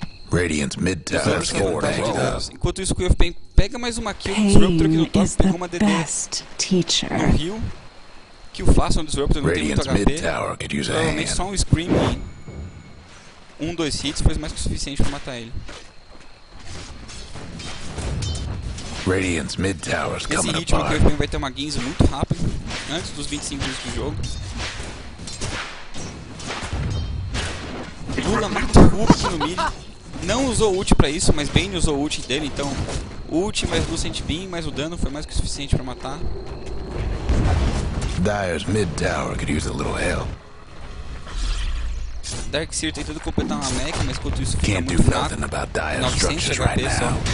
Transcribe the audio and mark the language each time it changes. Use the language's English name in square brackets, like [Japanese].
[English] Radiant mid tower is forward. [Portuguese] Enquanto isso, o Queen of Pain pega mais uma kill do Disruptor aqui no top, pegou uma DD no rio. Que o faça no Disruptor, não tem muito HP. Realmente só um scream e 1-2 hits foi mais que o suficiente pra matar ele. [English] Radiant's mid tower's coming apart. [Portuguese] Esse ritmo que o Queen vai ter uma guinza muito rápido, antes dos 25 minutos do jogo. Luna mata o Rubik no mid. Não usou ult pra isso, mas Bane usou ult dele, então ult mais Lucent Beam, mais o dano foi mais que o suficiente pra matar. [English] Dire's mid tower could use a little help. [Portuguese] Darkseer tentando completar uma mech, mas quanto isso fica muito fraco. 900 HP só.